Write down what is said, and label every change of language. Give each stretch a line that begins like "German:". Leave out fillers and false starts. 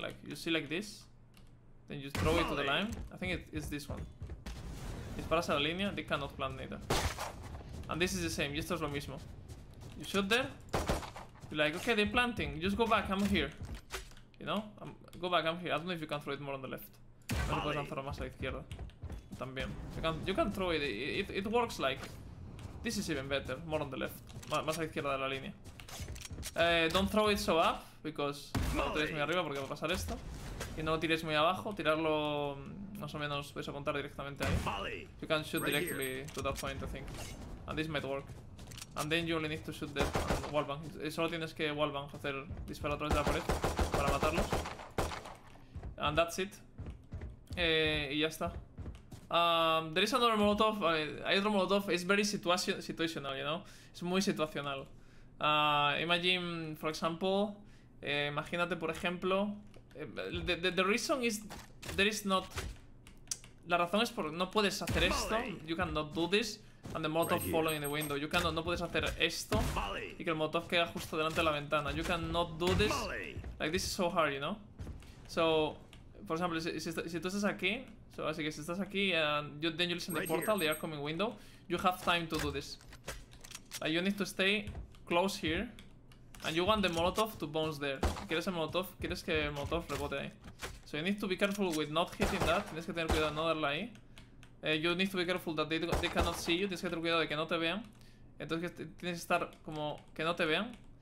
English: Like you see like this, then you throw it to the line. I think it's this one.
Spanish: Disparas a la línea.
English: They cannot plant neither. And this is the same.
Spanish: Esto es lo mismo.
English: You shoot there. You're like okay, they're planting. Just go back. I'm here. You know, go back, I'm here. I don't know if you can throw it more on the left.
Spanish: No se puede lanzar más a la izquierda. También.
English: You can throw it. It works like. This is even better. More on the left.
Spanish: Más a la izquierda de la línea.
English: Don't throw it so up, because.
Spanish: No tiréis muy arriba porque va a pasar esto. Y no lo tiréis muy abajo. Tirarlo. Más o menos podéis apuntar directamente ahí.
English: You can shoot directly to that point, I think. And this might work. And then you only need to shoot the wallbang.
Spanish: Solo tienes que wallbang hacer disparar a través de la pared. Para matarlos.
English: And that's it.
Spanish: Y ya está.
English: There is another molotov.
Spanish: Hay otro molotov.
English: It's very situational, you know.
Spanish: Es muy situacional.
English: Imagine, for example.
Spanish: Imagínate, por ejemplo.
English: The reason is. There is not.
Spanish: La razón es por. No puedes hacer esto.
English: You cannot do this. And the Molotov following the window. You cannot,
Spanish: no puedes hacer esto y que el Molotov caiga justo delante de la ventana.
English: You cannot do this. Like, this is so hard, you know? So,
Spanish: por ejemplo, si tú estás aquí,
English: so,
Spanish: así que si estás aquí,
English: and you, then you listen to the portal, the upcoming window, you have time to do this. Like, you need to stay close here, and you want the Molotov to bounce there.
Spanish: ¿Quieres el Molotov? ¿Quieres que el Molotov rebote ahí?
English: So you need to be careful with not hitting that.
Spanish: Tienes que tener cuidado de no darle ahí.
English: You need to be careful that they cannot see you.
Spanish: Tienes que tener cuidado de que no te vean. Entonces tienes que estar como que no te vean.